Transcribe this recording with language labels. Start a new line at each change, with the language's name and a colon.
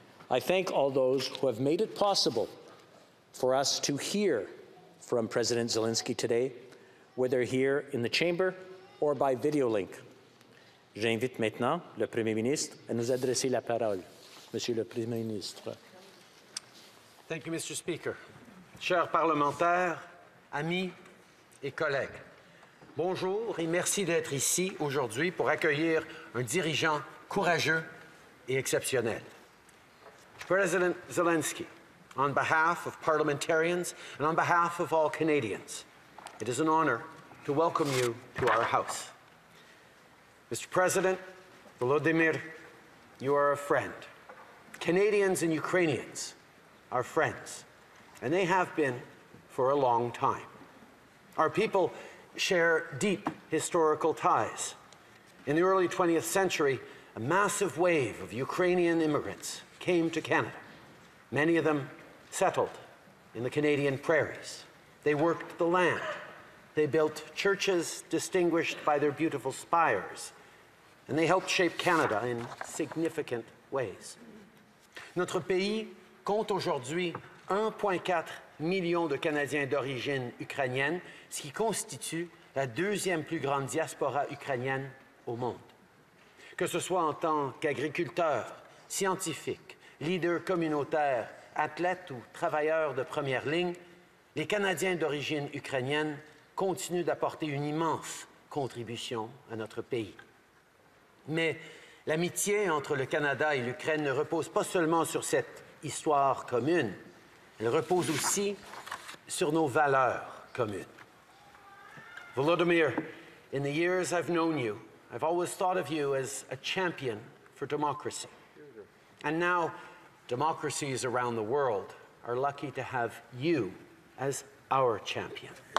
English: I thank all those who have made it possible for us to hear from President Zelenskyy today, whether here in the chamber or by video link.
French: J'invite maintenant le Premier ministre à nous adresser la parole. Monsieur le Premier ministre.
English: Thank you, Mr. Speaker.
French: Chers parlementaires, amis et collègues, bonjour et merci d'être ici aujourd'hui pour accueillir un dirigeant courageux et exceptionnel.
English: President Zelenskyy, on behalf of parliamentarians and on behalf of all Canadians, it is an honour to welcome you to our House. Mr. President, Volodymyr, you are a friend. Canadians and Ukrainians are friends, and they have been for a long time. Our people share deep historical ties. In the early 20th century, a massive wave of Ukrainian immigrants came to Canada. Many of them settled in the Canadian prairies. They worked the land. They built churches distinguished by their beautiful spires. And they helped shape Canada in significant ways.
French: Notre pays compte aujourd'hui 1,4 million de Canadiens d'origine ukrainienne, ce qui constitue la deuxième plus grande diaspora ukrainienne au monde. Que ce soit en tant qu'agriculteurs, scientifiques, leaders communautaires, athlètes ou travailleurs de première ligne, les Canadiens d'origine ukrainienne continuent d'apporter une immense contribution à notre pays. Mais l'amitié entre le Canada et l'Ukraine ne repose pas seulement sur cette histoire commune, elle repose aussi sur nos valeurs communes.
English: Volodymyr, in the years I've known you, I've always thought of you as a champion for democracy. And now, democracies around the world are lucky to have you as our champion.